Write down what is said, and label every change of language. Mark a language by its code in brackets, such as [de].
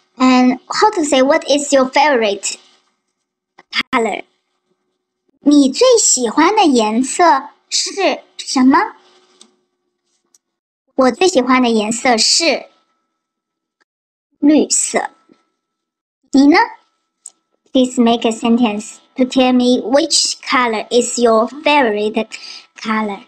[en] And how to say what is your favorite color？ [zh] 你最喜欢的颜色是什么？我最喜欢的颜色是绿色。你呢？ [en] Please make a sentence to tell me which color is your favorite color.